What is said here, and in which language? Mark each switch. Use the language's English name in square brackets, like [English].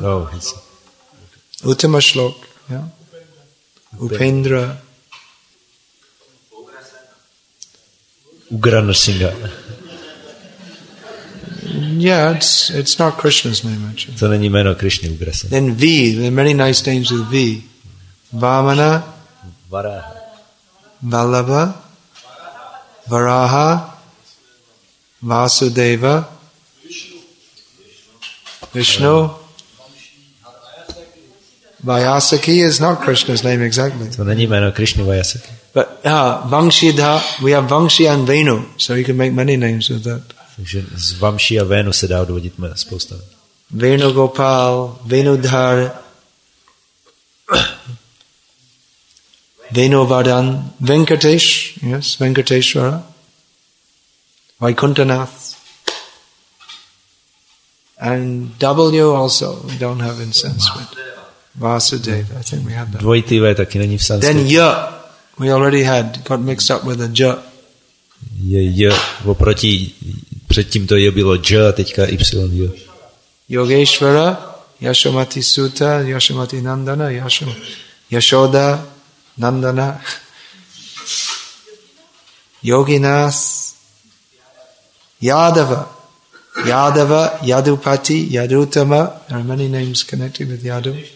[Sanskrit] No, Uttama Shlok, yeah. Upendra. Ugra Narsingha. [English] Yeah, it's not Krishna's name actually. [Czech] To není jméno Krishna, Ugra Narsingha. [English] Then V, there are many nice names with V. [Sanskrit] Vamana. Varaha. Vallabha. Varaha. Vasudeva. [English] Vishnu. Vishnu. Vyasaki is not Krishna's name exactly. [Czech] To není jméno Krishna Vyasaki. [English] But Vamshidha, we have Vamshi and Venu, so you can make many names with that. [Czech] Takže z Vamshi a Venu se dá odvodit spousta. [English] Venu Gopal, Venudhar, Venuvardhan, Venkatesh, yes, Venkateshwara, Vaikunthanath, and W also, we don't have in Sanskrit. Vasudeva, I think we have that. [Czech] Dvojitý V taky není v Sanskrit. [English] Then Y, we already had, got mixed up with a J. [Czech] Y, oproti, předtím to J bylo J, a teďka Y, J. [Sanskrit] Yogeshwara, Yashomati Sutta, Yashomati Nandana, Yashoda, Nandana, Yoginas, Yadava, Yadava, Yadupati, Yadutama, [English] there are many names connected with Yadu.